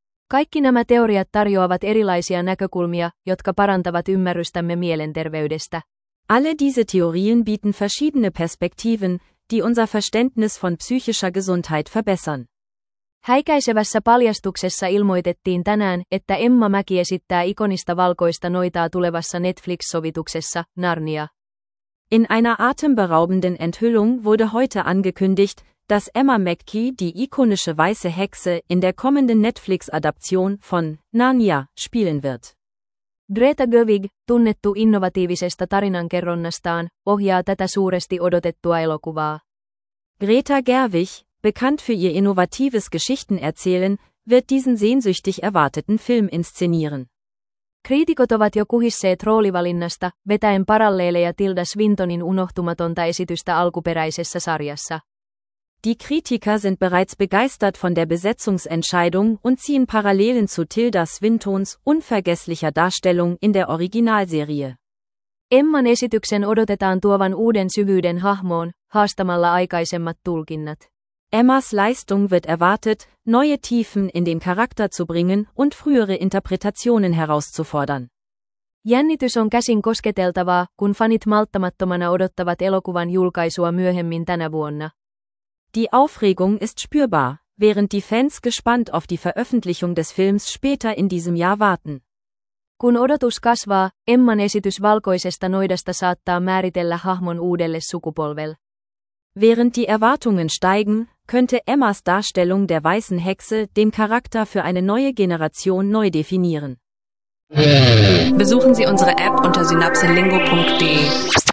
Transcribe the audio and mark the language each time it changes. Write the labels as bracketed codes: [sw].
[fi] Kaikki nämä teoriat tarjoavat erilaisia näkökulmia, jotka parantavat ymmärrystämme mielenterveydestä. [de] Alle diese Theorien bieten verschiedene Perspektiven, die unser Verständnis von psychischer Gesundheit verbessern. [fi] Häikäisevässä paljastuksessa ilmoitettiin tänään, että Emma Mäki esittää ikonista valkoista noitaa tulevassa Netflix-sovituksessa Narnia. [de] In einer atemberaubenden Enthüllung wurde heute angekündigt, dass Emma Mäki die ikonische weiße Hexe in der kommenden Netflix-Adaption von Narnia spielen wird. [fi] Greta Gerwig, tunnettu innovatiivisesta tarinankerronnastaan, ohjaa tätä suuresti odotettua elokuvaa. [de] Greta Gerwig, bekannt für ihr innovatives Geschichtenerzählen, wird diesen sehnsüchtig erwarteten Film inszenieren. [fi] Kriitikot ovat jo kuhisseet roolivalinnasta, vetäen paralleeleja Tilda Swintonin unohtumatonta esitystä alkuperäisessä sarjassa. [de] Die Kritiker sind bereits begeistert von der Besetzungsentscheidung und ziehen Parallelen zu Tilda Swintons unvergesslicher Darstellung in der Originalserie. [fi] Emman esityksen odotetaan tuovan uuden syvyyden hahmoon, haastamalla aikaisemmat tulkinnat. [de] Emmas Leistung wird erwartet, neue Tiefen in den Charakter zu bringen und frühere Interpretationen herauszufordern. [fi] Jännitys on käsin kosketeltavaa, kun fanit malttamattomana odottavat elokuvan julkaisua myöhemmin tänä vuonna. [de] Die Aufregung ist spürbar, während die Fans gespannt auf die Veröffentlichung des Films später in diesem Jahr warten. [fi] Kun odotus kasvaa, Emman esitys valkoisesta noidasta saattaa määritellä hahmon uudelle sukupolvelle. [de] Während die Erwartungen steigen, könnte Emmas Darstellung der weißen Hexe den Charakter für eine neue Generation neu definieren. Besuchen Sie unsere App unter synapselingo.de.